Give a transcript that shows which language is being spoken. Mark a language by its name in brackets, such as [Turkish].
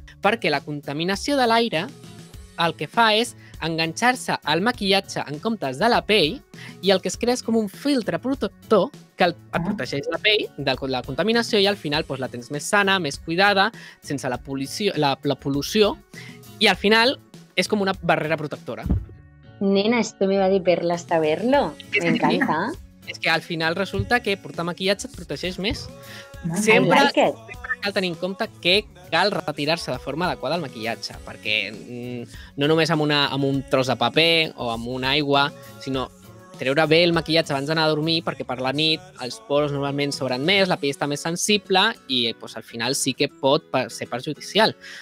[Catalan] Perquè la contaminació de l'aire el que fa és enganxar-se al maquillatge en comptes de la pell, i el que es crea és com un filtre protector que et protegeix la pell de la contaminació, i al final doncs, la tens més sana, més cuidada, sense la pol·lució, i al final és com una barrera protectora. [Spanish] Nena, esto me va de perlas saberlo. [Catalan] M'encanta. És que al final resulta que portar maquillatge et protegeix més. Sempre, [English] like [Catalan] sempre cal tenir en compte que cal retirar-se de forma adequada el maquillatge, perquè no només amb un tros de paper o amb una aigua, sinó treure bé el maquillatge abans d'anar a dormir, perquè per la nit els pors normalment s'obren més, la pell està més sensible i pues, al final sí que pot ser perjudicial.